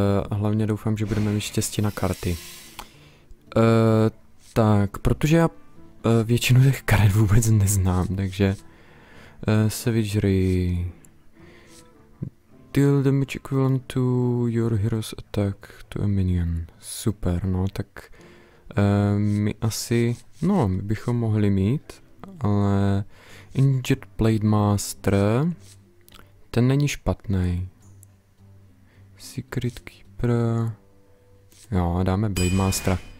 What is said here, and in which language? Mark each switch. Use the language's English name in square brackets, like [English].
[Czech] Hlavně doufám, že budeme mít štěstí na karty. Tak, protože já většinu těch karet vůbec neznám, takže... Savagery... [English] Deal damage equivalent to your hero's attack to a minion. [Czech] Super, no tak... my asi, no, my bychom mohli mít, ale Injured Blade Master, ten není špatný. Secret Keeper, jo, dáme Blade Mastera.